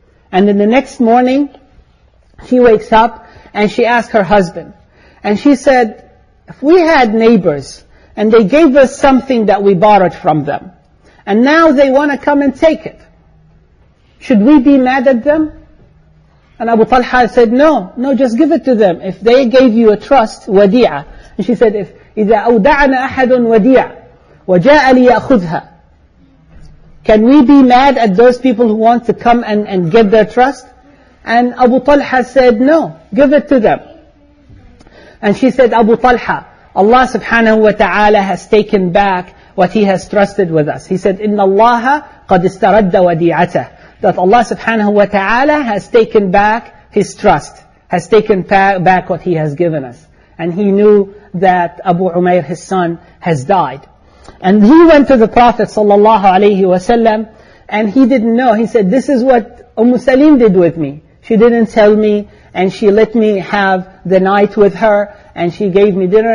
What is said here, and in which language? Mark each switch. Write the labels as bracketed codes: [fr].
[en] And then the next morning, she wakes up, and she asked her husband, and she said, "If we had neighbors, and they gave us something that we borrowed from them, and now they want to come and take it, should we be mad at them?" And Abu Talha said, no, just give it to them. If they gave you a trust, wadi'ah. And she said, [ar] إِذَا أَوْدَعَنَا أَحَدٌ وَدِيعًا وَجَاءَ لِيَأْخُذْهَا. [en] Can we be mad at those people who want to come and get their trust? And Abu Talha said, no, give it to them. And she said, "Abu Talha, Allah subhanahu wa ta'ala has taken back what he has trusted with us." He said, [ar] "إِنَّ اللَّهَ قَدْ إِسْتَرَدَّ وَدِيعَتَهُ." [en] That Allah subhanahu wa ta'ala has taken back his trust, has taken back what he has given us. And he knew that Abu Umayr, his son, has died. And he went to the Prophet sallallahu alayhi wa sallam, and he didn't know. He said, "This is what Umm Salim did with me. She didn't tell me, and she let me have the night with her, and she gave me dinner.